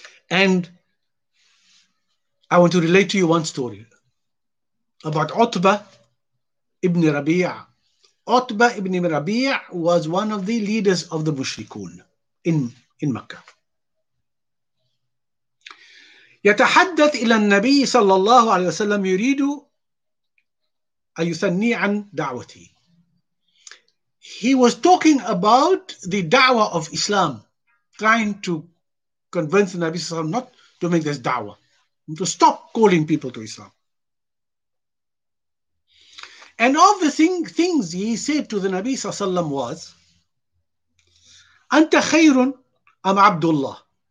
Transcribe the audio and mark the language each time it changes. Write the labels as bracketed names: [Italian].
[English] And I want to relate to you one story about Utbah ibn Rabi'ah. Utbah ibn Rabi'ah was one of the leaders of the mushrikun in Makkah. [Arabic] يتحدث إلى النبي صلى الله عليه وسلم يريد أن يثني عن دعوته. [English] He was talking about the da'wah of Islam, trying to convince the Nabi Sallallahu Alaihi Wasallam not to make this da'wah, to stop calling people to Islam. And of the things he said to the Nabi Sallallahu Alaihi Wasallam was, [Arabic] Anta khayrun am Abdullah.